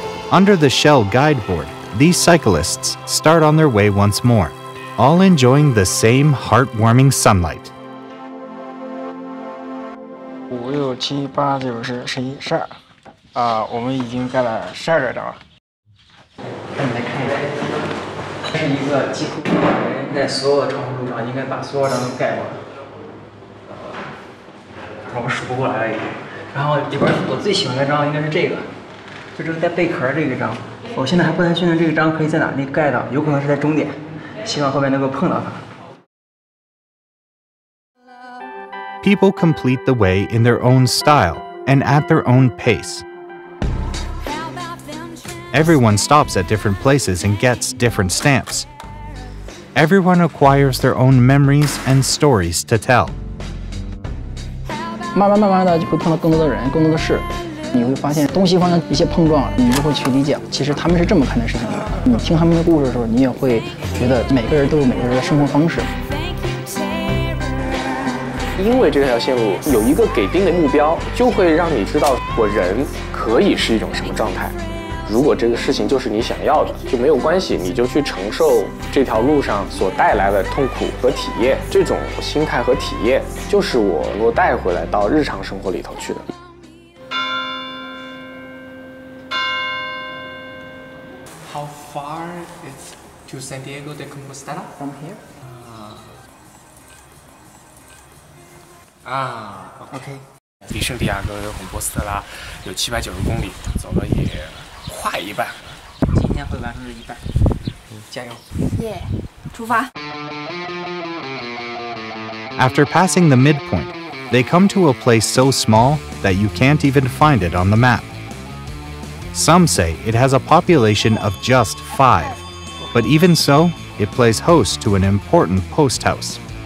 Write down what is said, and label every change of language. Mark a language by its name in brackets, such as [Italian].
[English] Under the Shell guideboard, these cyclists start on their way once more, all enjoying the same heartwarming sunlight. [Chinese] 五六七八九十十一十二，啊，我们已经盖了十二个章了。来，你来看一下，这是一个几乎在所有的长途路上应该把所有章都盖过了，我数不过来了。然后里边我最喜欢的章应该是这个。就这个带贝壳这个章，我现在还不太确定这个章可以在哪里盖到，有可能是在终点，希望后面能够碰到它。 [English] People complete the way in their own style and at their own pace. Everyone stops at different places and gets different stamps. Everyone acquires their own memories and stories to tell. [Chinese] 慢慢的就会碰到更多的人，更多的事。你会发现东西方的一些碰撞，你就会去理解，其实他们是这么看待事情的。你听他们的故事的时候，你也会觉得每个人都有每个人的生活方式。因为这条线路有一个给定的目标，就会让你知道我人可以是一种什么状态。如果这个事情就是你想要的，就没有关系，你就去承受这条路上所带来的痛苦和体验。这种心态和体验就是我能够带回来到日常生活里头去的。 [English] How far is to Santiago de Compostela from here? Okay. [Chinese] 离圣地亚哥的孔波斯特拉有790公里，走了也快一半。今天会完成这一半，加油！耶、yeah, ，出发。 [English] After passing the midpoint, they come to a place so small that you can't even find it on the map. Some say it has a population of just 5, but even so, it plays host to an important post house.